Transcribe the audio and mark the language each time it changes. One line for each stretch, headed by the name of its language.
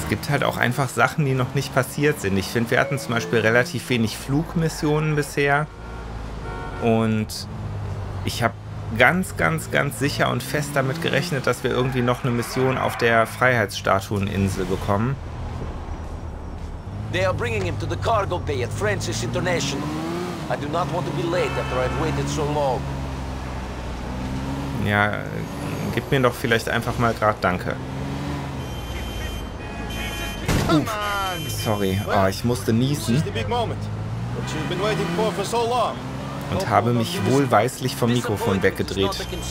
German: Halt auch einfach Sachen, die noch nicht passiert sind. Ich finde, wir hatten zum Beispiel relativ wenig Flugmissionen bisher und ich habe ganz, ganz, ganz sicher und fest damit gerechnet, dass wir irgendwie noch eine Mission auf der Freiheitsstatueninsel bekommen.
English: They are bringing him to the cargo bay at Francis International. I do not want to be late after I've waited so long.
German: Ja, gib mir doch vielleicht einfach mal gerade Danke. Sorry, oh, ich musste niesen und habe mich wohlweislich vom Mikrofon weggedreht.